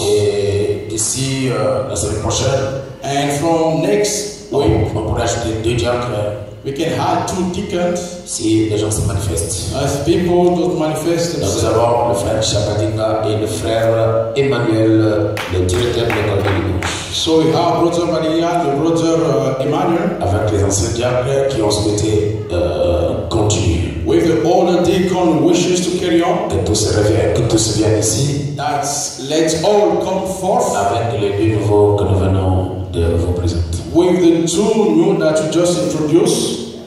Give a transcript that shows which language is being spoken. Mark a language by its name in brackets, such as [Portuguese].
[French] Et d'ici la semaine prochaine. [English] And from next week. [French] On pourrait ajouter deux diacres. [English] We can have two deacons. [French] Si les gens se manifestent. [English] If people don't manifest themselves. [French] Nous avons le frère Chabadinga et le frère Emmanuel, le directeur de l'école de l'Église. [English] So we have Brother Maria and Brother Emmanuel. [French] Avec les anciens diacres qui ont souhaité continuer. [English] With the older deacon wishes to carry on. [French] Que tous reviennent ici. [English] That's let all come forth. [French] Avec les deux nouveaux que nous venons de vous présenter. [English] With the two new that you just introduced.